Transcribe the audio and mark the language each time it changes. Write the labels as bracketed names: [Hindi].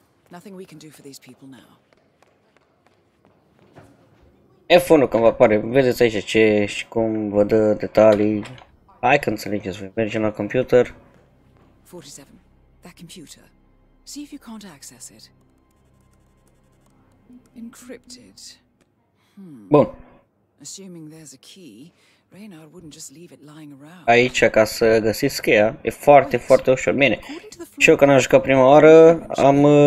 [English] Nothing we can do for these people now. [Romanian] F1-ul când vă apare, vedeți aici ce și cum vă dă detalii. Hai că înțelegeți voi, mergem la computer. [English] 47, that computer. See if you can't access it. Encrypted. [Romanian] Bun. [English] Assuming there's a key, Reynard wouldn't just leave it lying around. [Romanian] Aici ca să găsiți cheia, e foarte, foarte ușor. Bine, și eu când am jucat prima oară, am...